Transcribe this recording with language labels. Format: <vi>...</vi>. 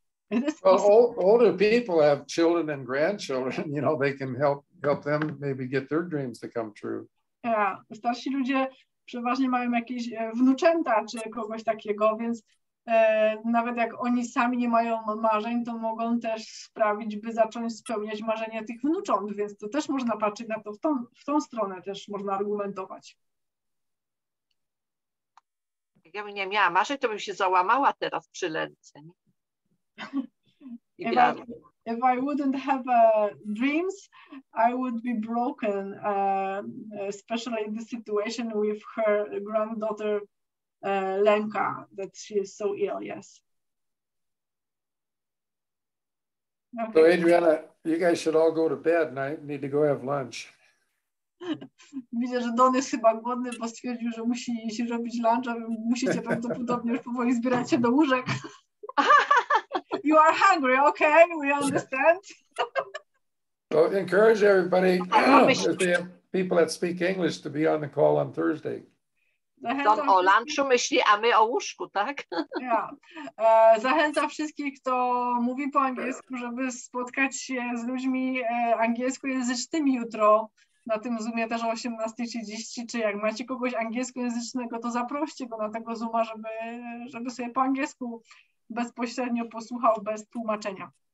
<en>it is well, older people have children and grandchildren. You know, they can help them maybe get their dreams to come true.</en> <pl>Yeah, starsi ludzie przeważnie mają jakieś wnuczęta czy kogoś takiego, więc nawet jak oni sami nie mają marzeń, to mogą też sprawić, by zacząć spełniać marzenia tych wnucząt, więc to też można patrzeć na to w tą stronę, też można argumentować. Jakbym nie miała marzeń, to bym się załamała teraz przy lęce.</pl> <en>If I wouldn't have dreams, I would be broken, especially in the situation with her granddaughter Lenka, that she is so ill, yes. Okay. So Adriana, you guys should all go to bed and I need to go have lunch.</en> <pl>Widzę, że Don jest chyba głodny, bo stwierdził, że musi się robić lunch, a wy musicie prawdopodobnie już powoli zbierać się do łóżek.</pl> <en>You are hungry, okay, we understand. So encourage everybody, if they have people that speak English, to be on the call on Thursday.</en> <pl>Don o lunchu myśli, a my o łóżku, tak?</pl> <en>Yeah.</en> <pl>Zachęcam wszystkich, kto mówi po angielsku, żeby spotkać się z ludźmi angielskojęzycznymi jutro na tym Zoomie też o 18:30, czy jak macie kogoś angielskojęzycznego, to zaproście go na tego Zooma, żeby sobie po angielsku bezpośrednio posłuchał, bez tłumaczenia.</pl>